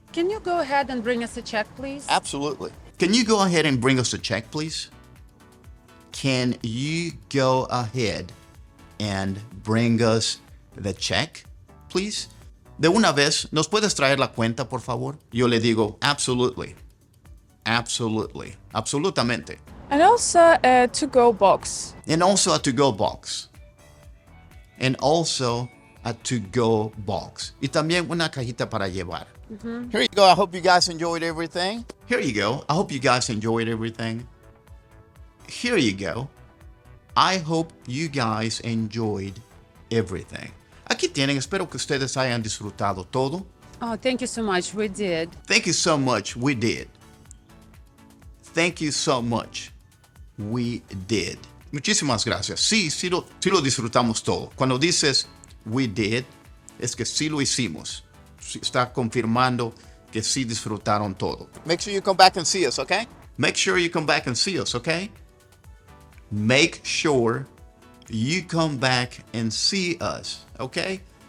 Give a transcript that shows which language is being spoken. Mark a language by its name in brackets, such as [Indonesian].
[English] Can you go ahead and bring us a check, please? Absolutely. Can you go ahead and bring us a check, please? Can you go ahead and bring us the check, please? [Spanish] De una vez, ¿nos puedes traer la cuenta, por favor? Yo le digo, absolutely. Absolutely. Absolutamente. [English] And also a to-go box. And also a to-go box. And also a to-go box. [Spanish] Y también una cajita para llevar. Mm-hmm. [English] Here you go. I hope you guys enjoyed everything. Here you go. I hope you guys enjoyed everything. Here you go. I hope you guys enjoyed everything. [Spanish] Aquí tienen. Espero que ustedes hayan disfrutado todo. [English] Oh, thank you so much. We did. Thank you so much. We did. Thank you so much. We did. [Spanish] Muchísimas gracias. Sí, sí lo disfrutamos todo. Cuando dices [English] we did, [Spanish] es que sí lo hicimos. Está confirmando que sí disfrutaron todo. [English] Make sure you come back and see us, okay? make sure you come back and see us, okay? Make sure you come back and see us, okay?